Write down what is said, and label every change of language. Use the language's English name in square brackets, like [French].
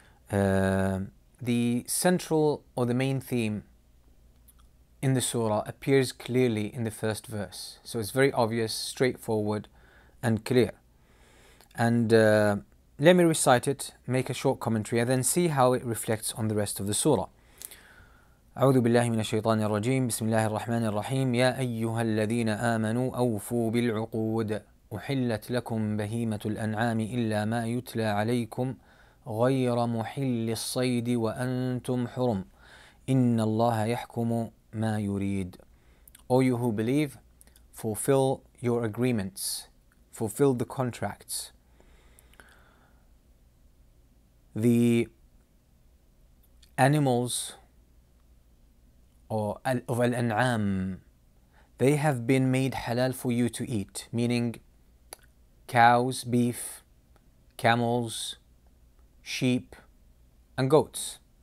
[English] The central or the main theme in the surah appears clearly in the first verse. So it's very obvious, straightforward and clear. And let me recite it, make a short commentary, and then see how it reflects on the rest of the surah. [Arabic] أعوذ بالله من الشيطان الرجيم بسم الله الرحمن الرحيم يا أيها الذين آمنوا أوفوا بالعقود أحلت لكم بهيمة الأنعام إلا ما يتلى عليكم غير محل الصيد وأنتم حرم إن الله يحكم ما يريد. [English] O you who believe, fulfill your agreements, fulfill the contracts. The animals of Al-An'am, they have been made halal for you to eat, meaning cows, beef, camels, sheep, and goats.